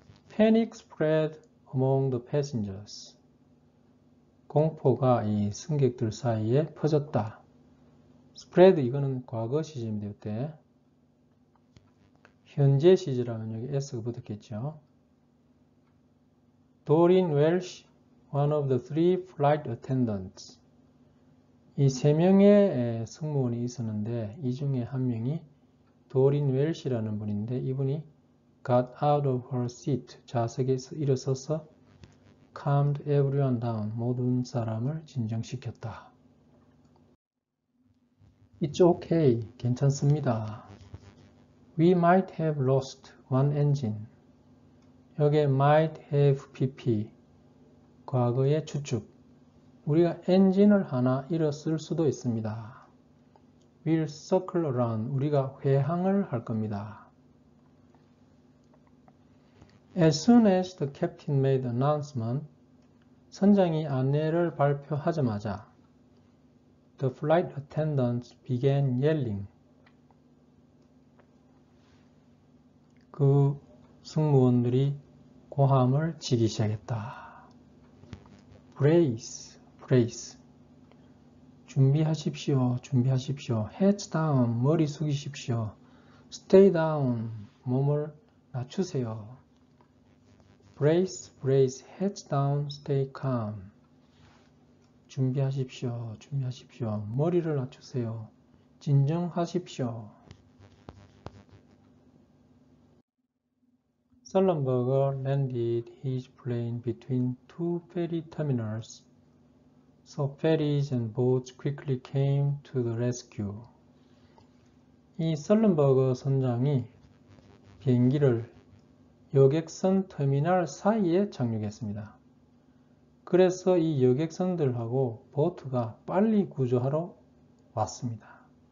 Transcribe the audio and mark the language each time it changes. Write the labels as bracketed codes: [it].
[en] Panic spread among the passengers. [ko] 공포가 이 승객들 사이에 퍼졌다. spread, 이거는 과거 시제입니다, 이때. 현재 시제라면 여기 s가 붙었겠죠. [en] Doreen Welsh, one of the three flight attendants. [ko] 이세 명의 승무원이 있었는데 이 중에 한 명이 도린 웰시라는 분인데 이분이 [en] got out of her seat [ko] 좌석에서 일어서서 [en] calmed everyone down [ko] 모든 사람을 진정시켰다. [en] It's okay. [ko] 괜찮습니다. [en] We might have lost one engine. [ko] 여기에 might have pp 과거의 추측. 우리가 엔진을 하나 잃었을 수도 있습니다. [en] We'll circle around. [ko] 우리가 회항을 할 겁니다. [en] As soon as the captain made announcement, [ko] 선장이 안내를 발표하자마자, [en] the flight attendants began yelling. [ko] 그 승무원들이 고함을 치기 시작했다. [en] Brace. 브레이스. [ko] 준비하십시오. 준비하십시오. [en] Heads down. [ko] 머리 숙이십시오. [en] Stay down. [ko] 몸을 낮추세요. [en] Brace, brace. Heads down. Stay calm. [ko] 준비하십시오. 준비하십시오. 머리를 낮추세요. 진정하십시오. [en] 설렌버거 landed his plane between two ferry terminals. So ferries and boats quickly came to the rescue. [ko] 이 설렌버거 선장이 비행기를 여객선 터미널 사이에 착륙했습니다. 그래서 이 여객선들하고 보트가 빨리 구조하러 왔습니다.